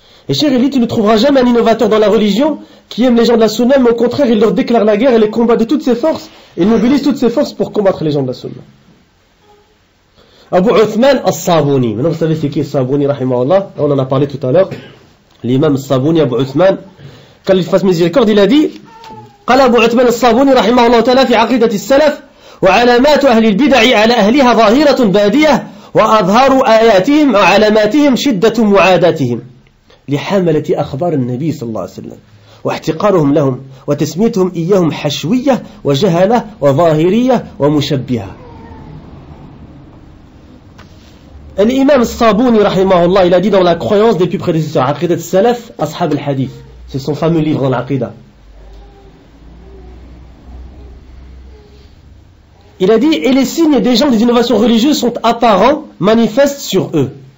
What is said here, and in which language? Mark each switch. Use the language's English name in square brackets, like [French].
[French] Et cher Elie, tu ne trouveras jamais un innovateur dans la religion qui aime les gens de la Sunna, mais au contraire, il leur déclare la guerre et les combat de toutes ses forces, et mobilise toutes ses forces pour combattre les gens de la Sunna. Abu Uthman al-Sabouni. Maintenant, vous savez c'est qui al-Sabouni, rahimahullah. On en a parlé tout à l'heure. L'imam al-Sabouni, Abu Uthman, quand il fasse miséricorde, il a dit, [Arabic] « Qala Abu Uthman al-Sabouni, rahimahullah ta'ala, fi aqidati salaf, وعلامات أهل البدع على أهلها ظاهرة بادية وأظهر آياتهم وعلاماتهم شدة معاداتهم لحملة أخبار النبي صلى الله عليه وسلم واحتقارهم لهم وتسميتهم إياهم حشوية وجهلة وظاهرية ومشبهة. الإمام الصابوني رحمه الله [French] il a dit dans la croyance des plus prédécesseurs [Arabic] عقيدة السلف أصحاب الحديث, [French] c'est son fameux livre dans l'Aqida. Il a dit, et les signes des gens des innovations religieuses sont apparents, manifestes sur eux.